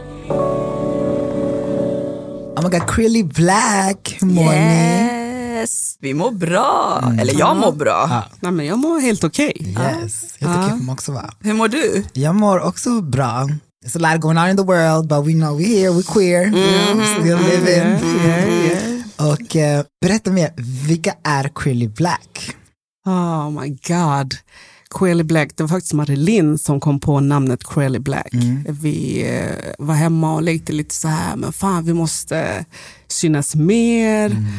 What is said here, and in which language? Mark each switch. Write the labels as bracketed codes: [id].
[en] Oh my god, [sv] Creally Black, hur mår ni? Yes, vi mår bra. Eller jag mår bra. Nej, men jag mår helt okej. Yes, helt okej för mig också, va? Hur mår du? Jag mår också bra. [en] It's a lot going on in the world, but we know we're here, we're queer. Still living. [sv] Och berätta mer, vilka är Creally Black? [en] Oh my god, [sv] Creally Black, det var faktiskt Marilyn som kom på namnet Creally Black. Vi var hemma och lekte lite så här, men fan, vi måste synas mer.